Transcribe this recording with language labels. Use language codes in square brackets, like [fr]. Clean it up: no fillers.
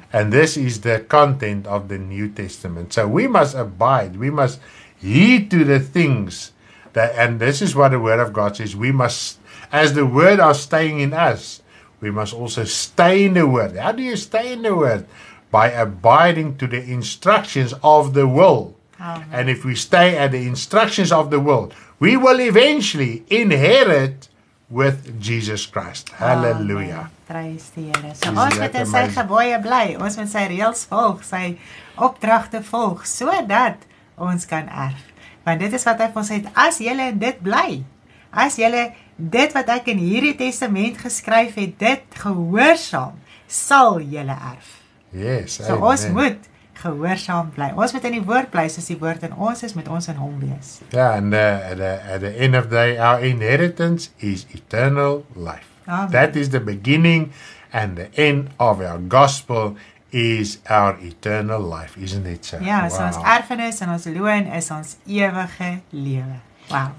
[en] And this is the content of the New Testament. So we must abide, we must heed to the things that, and this is what the Word of God says, we must, as the Word are staying in us, we must also stay in the Word. How do you stay in the Word? By abiding to the instructions of the will. Amen. And if we stay at the instructions of the world, we will eventually inherit with Jesus Christ. Hallelujah. [af] Prys die Here. So ons moet in sy gebooie bly. Ons moet sy reëls volg, sy opdragte volg, sodat ons kan erf. Want dit is wat hy vir ons het. As jy in dit bly, as jy dit wat ek in hierdie testament geskryf het, dit gehoorsaam, sal jy erf. [en] Yes. [af] So ons moet gehoorsaam bly. Ons moet in die woord bly, soos die woord in ons is, moet ons in hom wees. [en] Ja, and at the end of the day, our inheritance is eternal life. Amen. That is the beginning and the end of our gospel is our eternal life, isn't it? So? [af] Ja, so ons erfenis en ons loon is ons ewige lewe. Wow.